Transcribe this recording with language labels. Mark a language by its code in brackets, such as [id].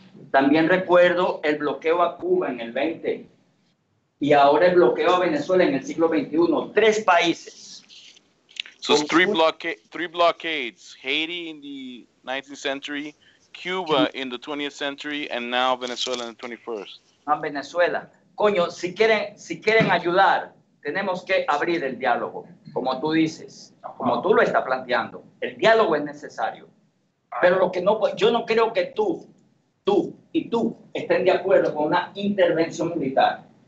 [es] También recuerdo el bloqueo a Cuba en el 20. Y ahora el bloqueo a Venezuela en el siglo 21, tres países. [en] So it's three blockades, Haiti in the 19th century, Cuba in the 20th century and now Venezuela in the 21st. [es] A Venezuela. Coño, si quieren, si quieren ayudar, tenemos que abrir el diálogo, como tú dices, como tú lo estás planteando. El diálogo es necesario. Pero lo que no, yo no creo que tú, tú y tú estén de acuerdo con una intervención militar.